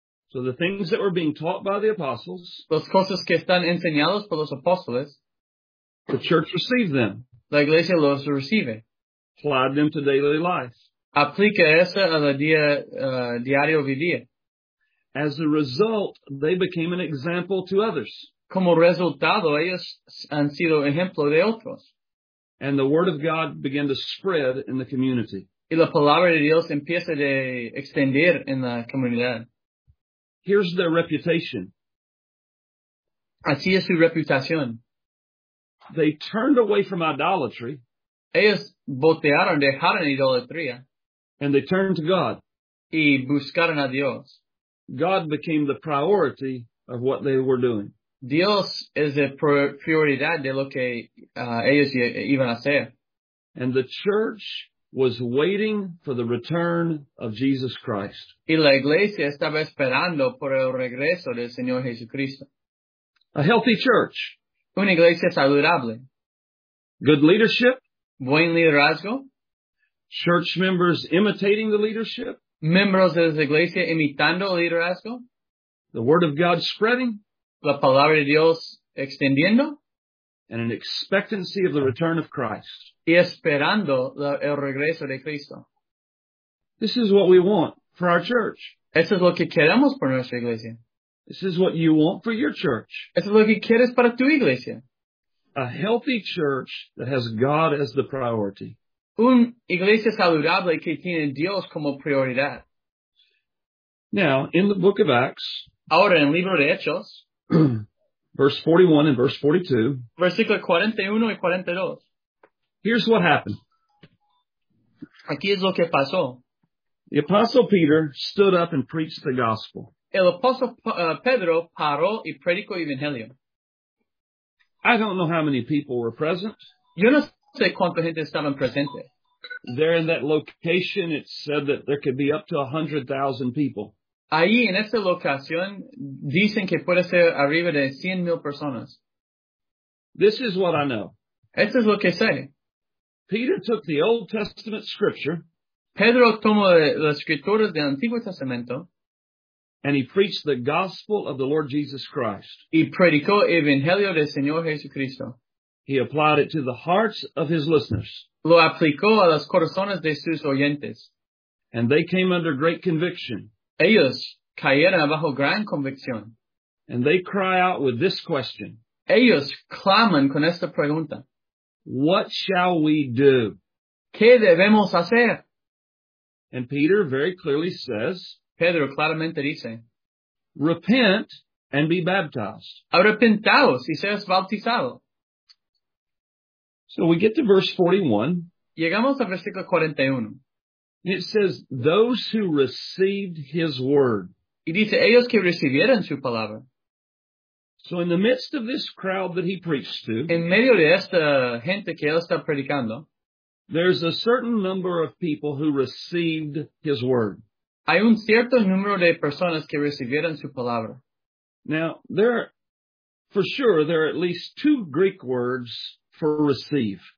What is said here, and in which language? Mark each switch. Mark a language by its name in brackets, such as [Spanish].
[English] So the things that were being taught by the apostles. [Spanish] Las cosas que están enseñadas por los apóstoles. [English] The church received them. [Spanish] La iglesia los recibe. [English] Applied them to daily life. [Spanish] Aplica eso a la día, diario vivir. [English] As a result, they became an example to others. [Spanish] Como resultado, ellos han sido ejemplo de otros. [English] And the word of God began to spread in the community. [Spanish] Y la palabra de Dios empieza a extender en la comunidad. [English] Here's their reputation. [Spanish] Así es su reputación. [English] They turned away from idolatry. [Spanish] Ellos voltearon, dejaron idolatría. [English] And they turned to God. [Spanish] Y buscaron a Dios. [English] God became the priority of what they were doing. [Spanish] Dios es la prioridad de lo que ellos iban a hacer. [English] And the church was waiting for the return of Jesus Christ. [Spanish] Y la iglesia estaba esperando por el regreso del Señor Jesucristo. [English] A healthy church. [Spanish] Una iglesia saludable. [English] Good leadership. [Spanish] Buen liderazgo. [English] Church members imitating the leadership. [Spanish] Miembros de la iglesia imitando el liderazgo. [English] The word of God spreading. [Spanish] La palabra de Dios extendiendo. [English] And an expectancy of the return of Christ. [Spanish] Y esperando el regreso de Cristo. [English] This is what we want for our church. [Spanish] Eso es lo que queremos por nuestra iglesia. [English] This is what you want for your church. [Spanish] Eso es lo que quieres para tu iglesia. [English] A healthy church that has God as the priority. [Spanish] Una iglesia saludable que tiene Dios como prioridad. [English] Now, in the book of Acts. [Spanish] Ahora, en el libro de Hechos. [English] Verse 41 and verse 42. [Spanish] Versículo 41 y 42. [English] Here's what happened. [Spanish] Aquí es lo que pasó. [English] The apostle Peter stood up and preached the gospel. [Spanish] El apóstol Pedro paró y predicó el evangelio. [English] I don't know how many people were present. [Spanish] Yo no sé cuánta gente estaban presente. [English] There in that location, it said that there could be up to 100,000 people. [Spanish] Ahí en esa locación dicen que puede ser arriba de 100,000 personas. [English] This is what I know. [Spanish] Eso es lo que sé. [English] Peter took the Old Testament scripture. [Spanish] Pedro tomó las escrituras del Antiguo Testamento. [English] And he preached the gospel of the Lord Jesus Christ. [Spanish] Y predicó el evangelio del Señor Jesucristo. [English] He applied it to the hearts of his listeners. [Spanish] lo aplicó a los corazones de sus oyentes. [English] And they came under great conviction. [Spanish] Ellos cayeron bajo gran convicción. [English] And they cry out with this question. [Spanish] Ellos claman con esta pregunta. [English] What shall we do? [Spanish] ¿Qué debemos hacer? [English] And Peter very clearly says, [Spanish] Pedro claramente dice, [English] repent and be baptized. [Spanish] Arrepentaos y seas bautizado. [English] So we get to verse 41. [Spanish] Llegamos al versículo 41. [English] It says, those who received his word. [Spanish] Y dice, ellos que recibieron su palabra. [English] So in the midst of this crowd that he preached to, [Spanish] en medio de esta gente que él está predicando, [English] there's a certain number of people who received his word. [Spanish] Hay un cierto número de personas que recibieron su palabra. [English] Now, there are at least two Greek words for receive.